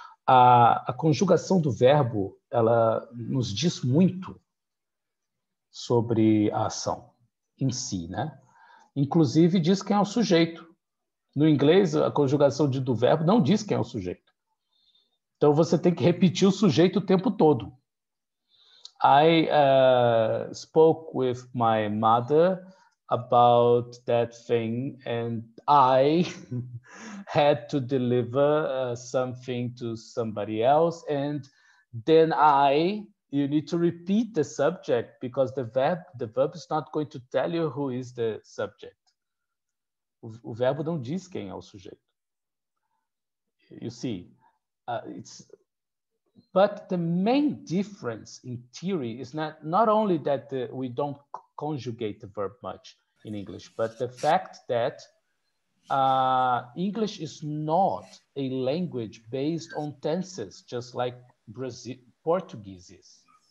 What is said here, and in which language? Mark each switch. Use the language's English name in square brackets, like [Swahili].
[Portuguese] A conjugação do verbo, ela nos diz muito sobre a ação em si, né? Inclusive, diz quem é o sujeito. No inglês, a conjugação do verbo não diz quem é o sujeito. Então, você tem que repetir o sujeito o tempo todo. [English] I spoke with my mother about that thing and I had to deliver something to somebody else and then you need to repeat the subject because the verb is not going to tell you who is the subject. [Portuguese] O verbo não diz quem é o sujeito. [English] You see, but the main difference in theory is not only that we don't conjugate the verb much in English, but the fact that English is not a language based on tenses, just like Portuguese is.